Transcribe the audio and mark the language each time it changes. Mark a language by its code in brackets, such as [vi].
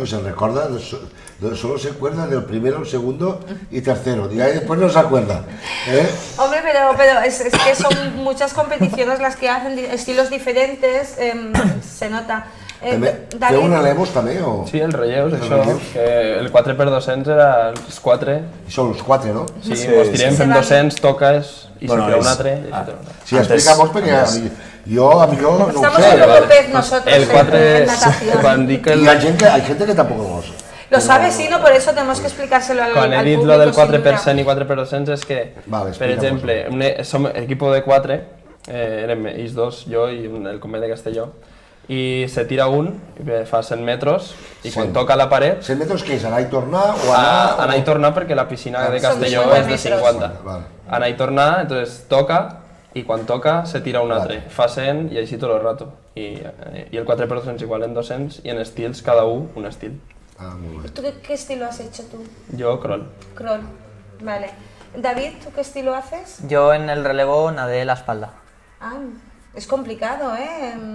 [es] No se recorda, solo se acuerda del primero, el segundo y tercero, y después no se acuerda. Hombre, pero es que son muchas competiciones las que hacen, estilos diferentes, se nota. [ca] ¿Feu un relevos també o...? Sí, el relleus, això, que el 4x200 era els 4. Són els 4, no? Sí, mos tirem, fem 200, toques, i se treu un altre. Sí, explica-vos perquè... Jo, a mi, no ho sé. [es] Estamos en un pez nosotros en natación. I hay gente que tampoco lo sabe. Lo sabe, sí, no, por eso tenemos que explicárselo al público. [ca] Quan he dit lo del 4x100 i 4x200 és que, per exemple, som equipo de 4, érem ells dos, jo i el company de Castelló, i se tira un, fa 100 metres, i quan toca la paret... 100 metres què és? Anar i tornar o anar? Anar i tornar perquè la piscina de Castelló és de 50. Anar i tornar, entonces toca, i quan toca se tira un altre, fa 100 i així tot el rato. I el 4x200 igual en 200 i en estils cada un estil. Ah, molt bé. [es] ¿Tú qué estilo has hecho tú? Yo, crawl. Crawl, vale. David, ¿tú qué estilo haces? Yo en el relevo nadé la espalda. Ah, es complicado, ¿eh?